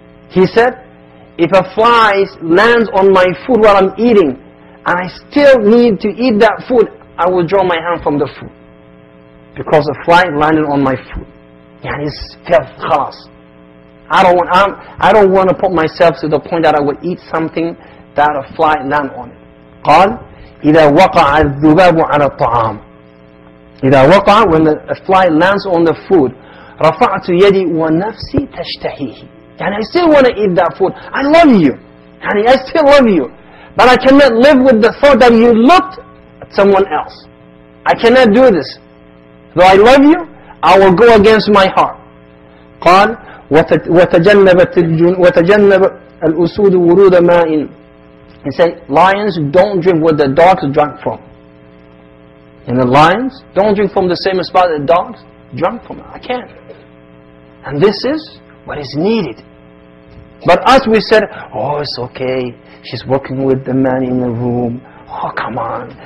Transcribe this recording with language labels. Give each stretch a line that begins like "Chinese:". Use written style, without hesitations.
English: He said, if a fly lands on my food while I'm eating, and I still need to eat that food, I will draw my hand from the food. Because a fly landed on my food. Yani it's filth, khalas. I don't want to put myself to the point that I would eat something that a fly land on it.
Arabic: قال إذا وقع الذباب على الطعام. إذا وقع,
English: when a fly lands on the food,
Arabic: رفعت يدي ونفسي تشتهيه.
English: يعني I still want to eat that food. I love you. يعني I still love you. But I cannot live with the thought that you looked at someone else. I cannot do this. Though I love you, I will go against my heart.
Arabic: قال وتجنبت الأسود ورود ماء.
English: He said, lions don't drink what the dogs drank from. And the lions don't drink from the same spot that the dogs drank from. I can't. And this is what is needed. But as we said, oh, it's okay. She's working with the man in the room. Oh, come on.